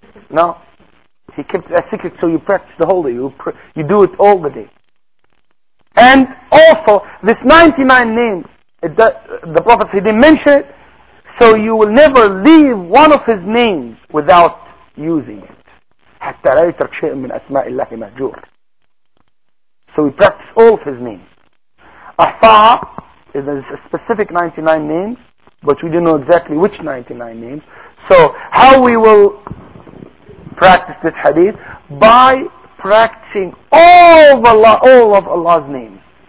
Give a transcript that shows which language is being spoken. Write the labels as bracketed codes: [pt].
[en] No, he kept it a secret, so you practice the whole day. You do it all the day. And also, this 99 names, the Prophet, he didn't mention it, so you will never leave one of his names without using it. [ar] حتى لا يترك شيء من أسماء الله مهجور. [en] So we practice all of his names. Ahsaha is a specific 99 names, but we don't know exactly which 99 names. So how we will practice this hadith? By practicing all of Allah's names.